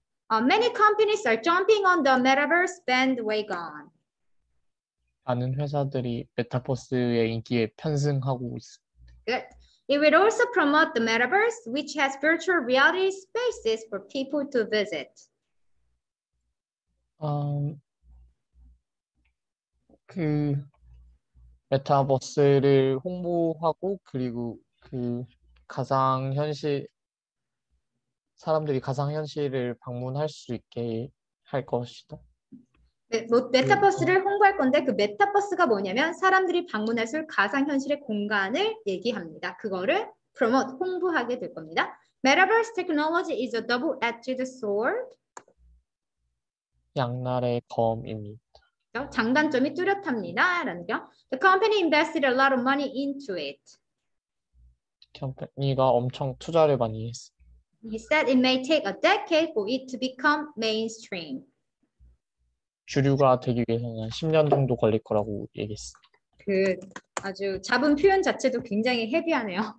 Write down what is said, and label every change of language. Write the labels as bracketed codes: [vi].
[en] Many companies are jumping on the metaverse bandwagon. [ko] 많은 회사들이 메타버스의 인기에 편승하고 있습니다. [en] Good. It will also promote the metaverse, which has virtual reality spaces for people to visit. [ko] 그 메타버스를 홍보하고 그리고 그 가상 현실 사람들이 가상 현실을 방문할 수 있게 할 것이다. 메타버스를 홍보할 건데 그 메타버스가 뭐냐면 사람들이 방문할 수 있는 가상현실의 공간을 얘기합니다. 그거를 promote, 홍보하게 될 겁니다. [en] Metaverse technology is a double-edged sword. [ko] 양날의 검입니다. 장단점이 뚜렷합니다. 라는 거. [en] The company invested a lot of money into it. [ko] 컴퍼니가 엄청 투자를 많이 했습니다. [en] He said it may take a decade for it to become mainstream. [ko] 주류가 되기 위해서는 10년 정도 걸릴 거라고 얘기했어요. 그 아주 잡은 표현 자체도 굉장히 헤비하네요.